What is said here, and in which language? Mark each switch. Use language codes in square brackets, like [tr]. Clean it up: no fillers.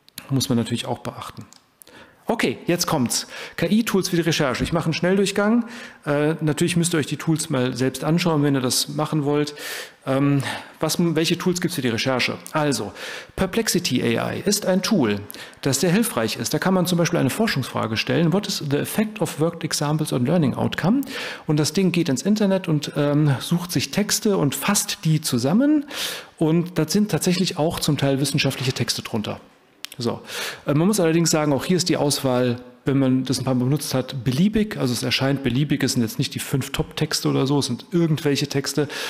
[de] Muss man natürlich auch beachten. Okay, jetzt kommt's. KI-Tools für die Recherche. Ich mache einen Schnelldurchgang. Natürlich müsst ihr euch die Tools mal selbst anschauen, wenn ihr das machen wollt. Welche Tools gibt es für die Recherche? Also, Perplexity AI ist ein Tool, das sehr hilfreich ist. Da kann man zum Beispiel eine Forschungsfrage stellen. [en] What is the effect of worked examples on learning outcome? [de] Und das Ding geht ins Internet und sucht sich Texte und fasst die zusammen. Und da sind tatsächlich auch zum Teil wissenschaftliche Texte drunter. So, man muss allerdings sagen, auch hier ist die Auswahl, wenn man das ein paar Mal benutzt hat, beliebig. Also es erscheint beliebig, es sind jetzt nicht die 5 Top-Texte oder so, es sind irgendwelche Texte.